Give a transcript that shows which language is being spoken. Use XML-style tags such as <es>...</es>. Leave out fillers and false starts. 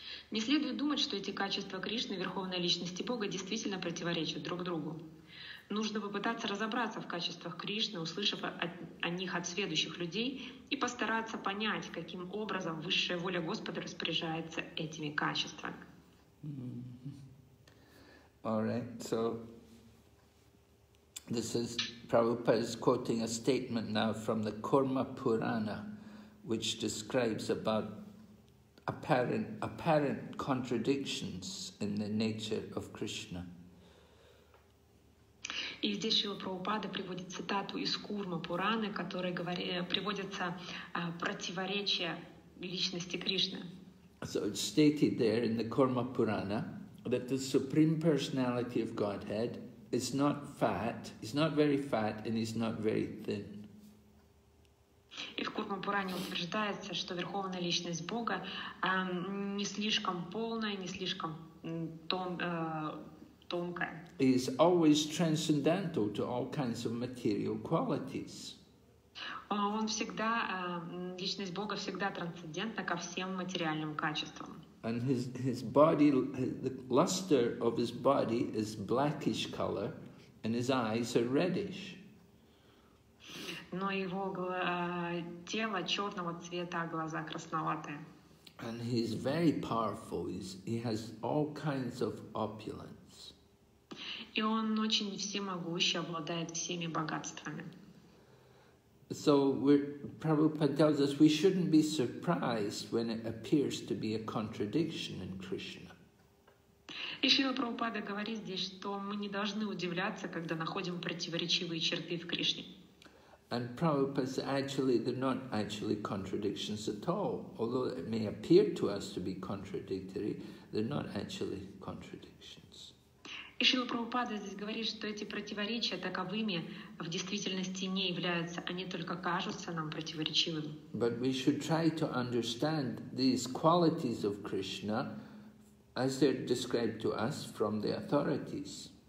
<ru>Не следует думать, что эти качества Кришны, Верховной Личности Бога, действительно противоречат друг другу. Нужно попытаться разобраться в качествах Кришны, услышав о них от сведущих людей, и постараться понять, каким образом высшая воля Господа распоряжается этими качествами.</ru> <en>All right, so this is Prabhupada is quoting a statement now from the Kurma Purana, which describes about apparent contradictions in the nature of Krishna.</en> <ru>И здесь Шрила Прабхупада приводит цитату из Курма Пураны, которая приводится противоречие личности Кришны.</ru> <en>So it's stated there in the Kurma Purana that the Supreme Personality of Godhead is not fat, he's not very fat, and he's not very thin.</en> <ru>И в Курма-Пуране утверждается, что Верховная Личность Бога не слишком полная, не слишком тонкая.</ru> <en>He's always transcendental to all kinds of material qualities.</en> <ru>Он всегда, Личность Бога всегда трансцендентна ко всем материальным качествам.</ru> <en>And his body, the luster of his body is blackish color, and his eyes are reddish.</en> <ru>Но его тело черного цвета, глаза красноватые.</ru> <en>And he's very powerful. He has all kinds of opulence.</en> <ru>И он очень всемогущий, обладает всеми богатствами.</ru> <en>So Prabhupada tells us we shouldn't be surprised when it appears to be a contradiction in Krishna.</en> <ru>И Шрила Прабхупада говорит здесь, что мы не должны удивляться, когда находим противоречивые черты в Кришне.</ru> <en>And Prabhupada says actually they're not actually contradictions at all. Although it may appear to us to be contradictory, they're not actually contradictions.</en> <ru>И Шрила Прабхупада здесь говорит, что эти противоречия таковыми в действительности не являются, они только кажутся нам противоречивыми.</ru> <en>But we should try to understand these qualities of Krishna as they're described to us from the authorities.</en>